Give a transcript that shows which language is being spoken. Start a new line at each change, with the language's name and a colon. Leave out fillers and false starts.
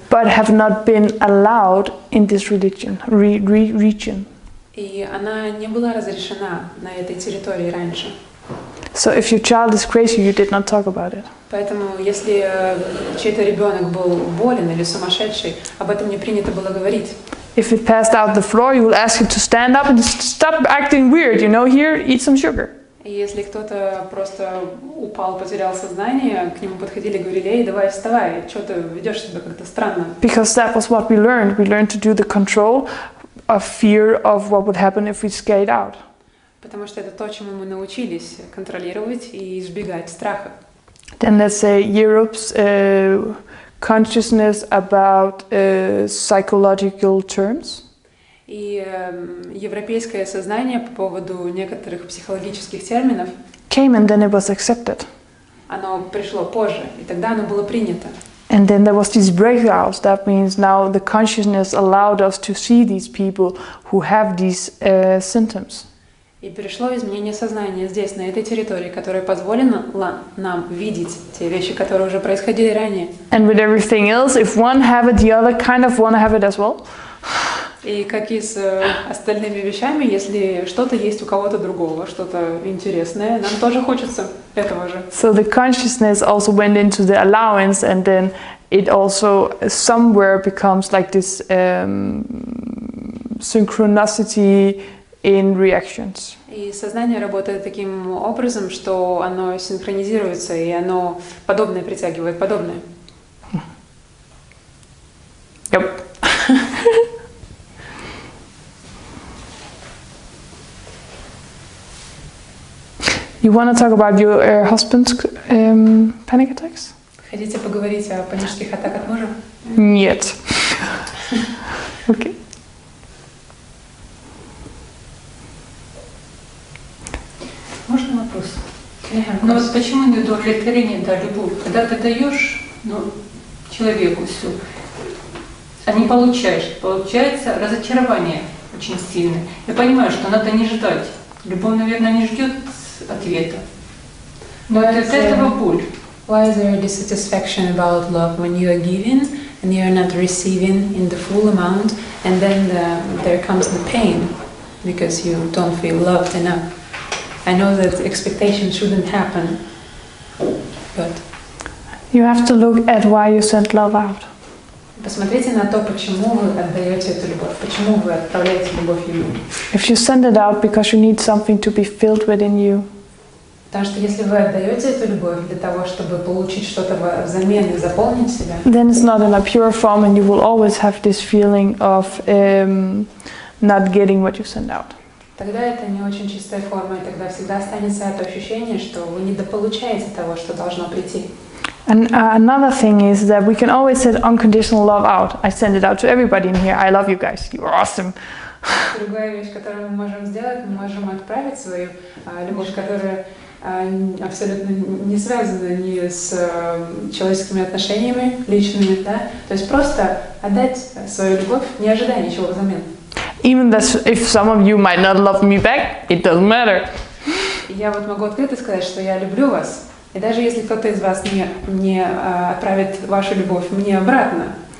English: But have not been allowed in this religion, region.
Russian: И она не была разрешена на этой территории раньше.
English: So if your child is crazy, you did not talk about it.
Russian: Поэтому, если чей-то ребенок был болен или сумасшедший, об этом не принято было говорить.
English: If it passed out the floor, you will ask it to stand up and stop acting weird. You know, here, eat some sugar.
Russian: Если кто-то просто упал, потерял сознание, к нему подходили, говорили: «Эй, давай вставай, что ты ведешь себя как-то странно».
English: Because that was what we learned. We learned to do the control of fear of what would happen if we scared out.
Russian: Потому что это то, чему мы научились контролировать и избегать страха.
English: Then let's say Europe's consciousness about psychological terms.
Russian: И европейское сознание по поводу некоторых психологических терминов.
English: Came and then it was accepted.
Russian: Оно пришло позже, и тогда оно было принято.
English: And then there was this breakout. That means now the consciousness allowed us to see these people who have these symptoms.
Russian: И пришло изменение сознания здесь, на этой территории, которое позволено нам видеть те вещи, которые уже происходили ранее.
English: And with everything else, if one have it, the other kind of want to have it as well.
Russian: И как и с остальными вещами, если что-то есть у кого-то другого, что-то интересное, нам тоже хочется этого же.
English: So the consciousness also went into the allowance, and then it also somewhere becomes like this synchronicity in reactions.
Russian: И сознание работает таким образом, что оно синхронизируется, и оно подобное притягивает подобное.
English: Yep. You want to talk about your husband's panic attacks?
Russian: Хотите поговорить о панических атаках мужа? Нет.
English: Okay.
Russian: Можно вопрос? Ну вот почему неудовлетворение, да, любовь? Когда ты даешь, ну, человеку все, а не получаешь, получается разочарование очень сильное. Я понимаю, что надо не ждать. Любовь, наверное, не ждет ответа. Но это от этого боль.
English: Why is there a dissatisfaction about love when you are giving and you are not receiving in the full amount, and then there comes the pain because you don't feel loved enough? I know that expectation shouldn't happen, but you have to look at why you sent love out.
Russian: Посмотрите на то, почему вы отдаете эту любовь, почему вы отправляете любовь ему.
English: If you send it out because you need something to be filled within you.
Russian: Потому что если вы отдаете эту любовь для того, чтобы получить что-то взамен и заполнить себя,
English: then it's not in a pure form, and you will always have this feeling of not getting what you send out.
Russian: Тогда это не очень чистая форма, и тогда всегда останется это ощущение, что вы недополучаете того, что должно прийти.
English: And another thing is that we can always send unconditional love out. I send it out to everybody in here. I love you guys. You are awesome.
Russian: Другая вещь, которую мы можем сделать, мы можем отправить свою любовь, которая абсолютно не связана ни с человеческими отношениями личными, да? То есть просто отдать свою любовь, не ожидая ничего взамен.
English: Even if some of you might not love me back, it doesn't matter.
Russian: Я вот могу открыто сказать, что я люблю вас. И даже если кто-то из вас не отправит вашу любовь мне обратно.